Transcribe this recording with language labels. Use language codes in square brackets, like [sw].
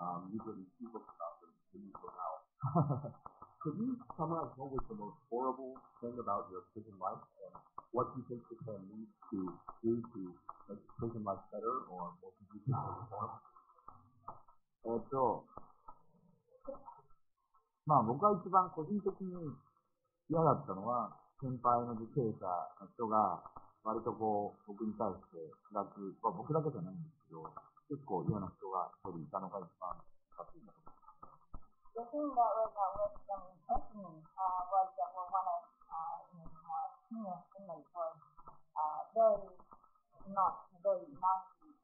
[en] You've written two books about. Could you summarize what was the most horrible thing about your prison life and what do you think Japan needs to do to make prison life better or what do you think is more important? [ja] まあ僕が一番個人的に嫌だったのは先輩の受刑者の人が割とこう僕に対して辛く、まあ、僕だけじゃないんですけど結構嫌な人が一人いたのが一番辛かった。 [en] The thing that was at risk for me personally was that one of the more senior inmates was very nasty.